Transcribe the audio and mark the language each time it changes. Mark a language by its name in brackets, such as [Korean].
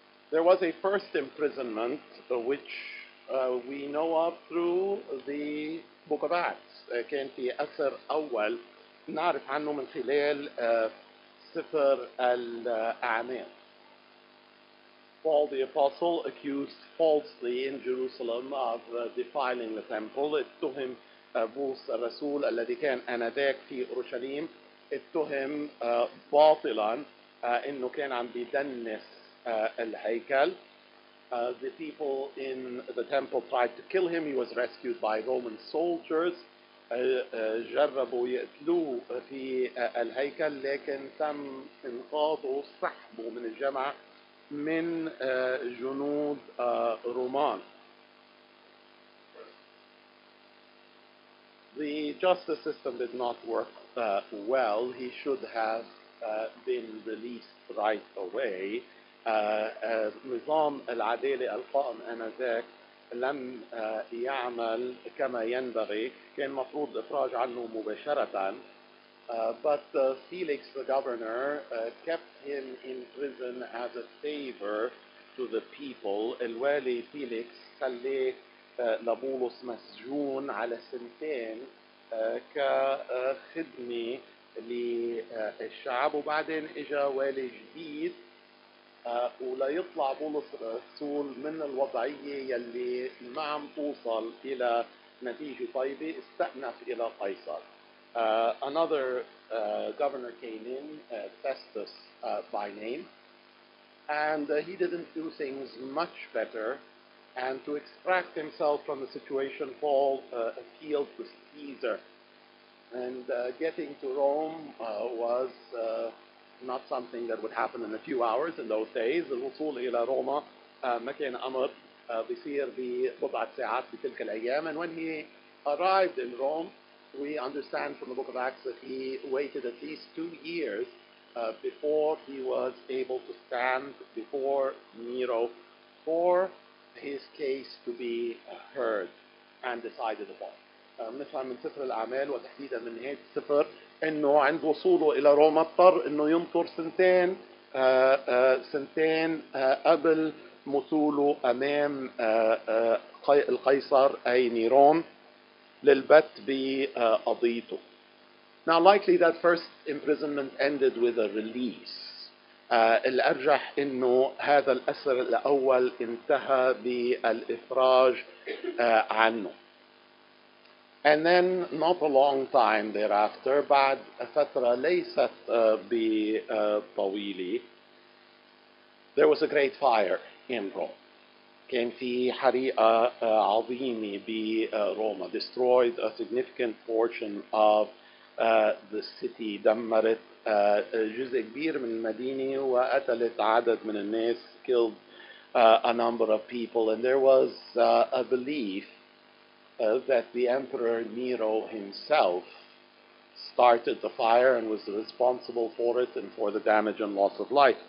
[English] There was a first imprisonment which we know of through the Book of Acts. [Arabic] كان في أثر أول نعرف عنه من خلال سفر الأعمال. [English] Paul the Apostle accused falsely in Jerusalem of defiling the temple. [Arabic] اتهم بولس الرسول الذي كان آنذاك في أورشليم اتهم باطلا انه كان عم بيدنس الهيكل. [English] The people in the temple tried to kill him. He was rescued by Roman soldiers. [Arabic] جربوا يقتلوه في الهيكل لكن تم انقاذه سحبه من الجمع من جنود رومان. [English] The justice system did not work well. He should have been released right away. [Arabic] نظام العدالة القائم آنذاك لم يعمل كما ينبغي. كان مفروض إفراج عنه مباشرة. [English] But Felix the governor kept him in prison as a favor to the people. [Arabic] الوالي فيليكس خلي لبولس مسجون على سنتين كخدمة للشعب. وبعدين اجا والي جديد وليطلع بولس الرسول من الوضعية يلي ما عم توصل الى نتيجة طيبة استأنف الى قيصر. [English] Another governor came in, Festus by name, and he didn't do things much better. And to extract himself from the situation, Paul appealed to Caesar. And getting to Rome was not something that would happen in a few hours in those days. [Arabic] الوصول إلى روما ما كان أمر بيصير ببضع ساعات في تلك الأيام. [English] And when he arrived in Rome, we understand from the Book of Acts that he waited at least 2 years before he was able to stand before Nero for his case to be heard and decided upon. [Arabic] نفهم من سفر الأعمال وتحديدا من نهاية السفر إنه عند وصوله إلى روما اضطر إنه ينطر سنتين سنتين قبل مثوله أمام القيصر أي نيرون للبت بقضيته. [English] Now likely that first imprisonment ended with a release. [Arabic] الأرجح إنه هذا الأسر الأول انتهى بالإفراج عنه. [English] And then not a long time thereafter, [Arabic] بعد فترة ليست بطويلة, [English] there was a great fire in Rome. [Arabic] كان في حريقة عظيمة بروما, [English] destroyed a significant portion of the city, [Arabic] دمرت جزء كبير من المدينة وقتلت عدد من الناس, [English] killed a number of people, and there was a belief that the emperor Nero himself started the fire and was responsible for it and for the damage and loss of life.